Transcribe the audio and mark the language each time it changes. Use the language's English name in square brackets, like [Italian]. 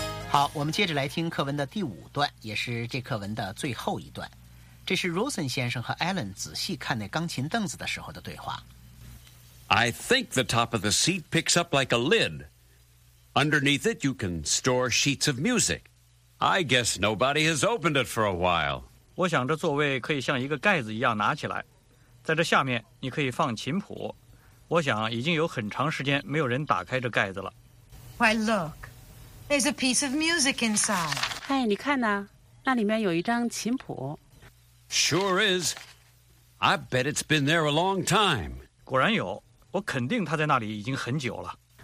[Chinese] 好，我们接着来听课文的第五段，也是这课文的最后一段。这是 Rosen 先生和 Alan 仔细看那钢琴凳子的时候的对话。 [English] I think the top of the seat picks up like a lid. Underneath it, you can store sheets of music. I guess nobody has opened it for a while. [Chinese] 我想这座位可以像一个盖子一样拿起来，在这下面你可以放琴谱。我想已经有很长时间没有人打开这盖子了。 [English] Why look? There's a piece of music inside. [Chinese] 哎，你看呐，那里面有一张琴谱。 [English] Sure is. I bet it's been there a long time. [Chinese] 果然有，我肯定他在那里已经很久了。